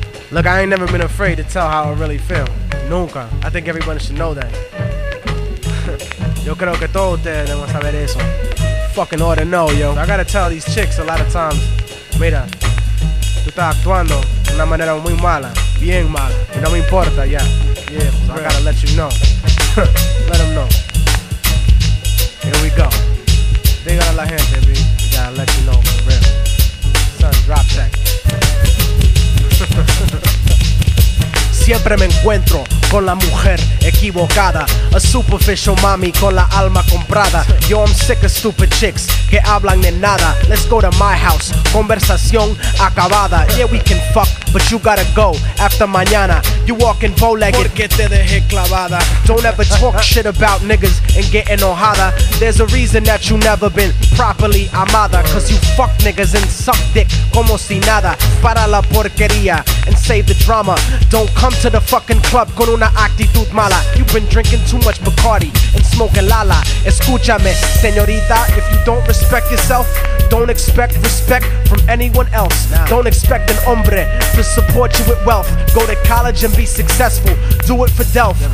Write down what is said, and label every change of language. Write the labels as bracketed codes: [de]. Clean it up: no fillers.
[en] Look, I ain't never been afraid to tell how I really feel. [es] Nunca. [en] I think everybody should know that. [es] Yo creo que todos ustedes deben saber eso. [en] Fucking ought to know, yo. I gotta tell these chicks a lot of times. [es] Mira, tú estás actuando de una manera muy mala. Bien mala. Y no me importa, ya. [en] Yeah, so I gotta let you know. Let them know. Here we go. [es] Diga a la gente, [en] baby. We gotta let you know for real. Son, drop that. [es] Siempre me encuentro con la mujer equivocada. [en] A superficial mommy [es] con la alma comprada. [en] Yo, I'm sick of stupid chicks [es] que hablan de nada. [en] Let's go to my house, [es] conversación acabada. [en] Yeah, we can fuck, but you gotta go after mañana. You walking bow-legged. [es] Porque te dejé clavada. [en] Don't ever talk shit about niggas and get enojada. There's a reason that you never been properly amada. Cause you fuck niggas and suck dick [es] como si nada. Para la porquería [en] and save the drama. Don't come to the fucking club [es] con una actitud mala. [en] You've been drinking too much Bacardi and smoking Lala. [es] Escúchame, señorita, [en] if you don't respect yourself, don't expect respect from anyone else. Nah. Don't expect an hombre to support you with wealth. Go to college and be successful. Do it for Delph.